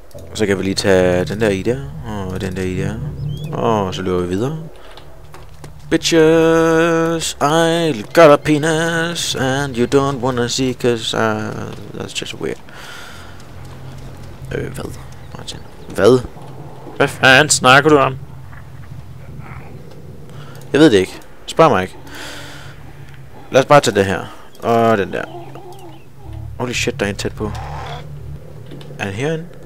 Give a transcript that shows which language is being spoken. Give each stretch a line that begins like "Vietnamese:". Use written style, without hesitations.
Danish: Og så kan vi lige tage den der i der, og den der i der, og så løber vi videre.
English: Bitches, I got a penis, and you don't wanna see, cause that's just weird.
Danish: Hvad, Martin? Hvad? Hvad fanden snakker du om? Jeg ved det ikke. Spørg mig ikke. Lad os bare tage det her, og den der.
English: Holy shit,
Danish: der er en tæt på. Er han herinde?